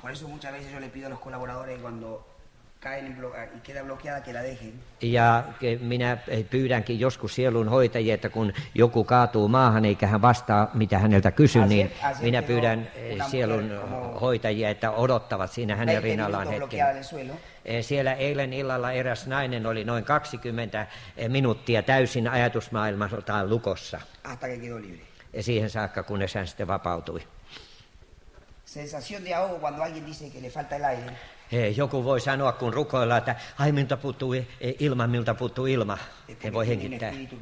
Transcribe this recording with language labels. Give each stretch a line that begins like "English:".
Spanish: Por eso muchas veces yo le pido a los colaboradores cuando caen y queda bloqueada que la dejen.
Finnish: Ja minä pyydänkin joskus sielunhoitajia, että kun joku kaatuu maahan eikä hän vastaa mitä häneltä kysyy, niin minä pyydän sielunhoitajia, että odottavat siinä hänen rinnallaan hetken. Siellä eilen illalla eräs nainen oli noin 20 minuuttia täysin ajatusmaailmaltaan lukossa.
Spanish: Hasta que quedó libre.
Finnish: Ja siihen saakka, kunnes hän sitten vapautui.
Spanish: Sensación de ahogo cuando alguien dice que le falta el aire.
Finnish: Joku voi sanoa, kun rukoillaan, että ai, miltä puuttuu ilma, miltä puuttuu ilma. He voi hengittää.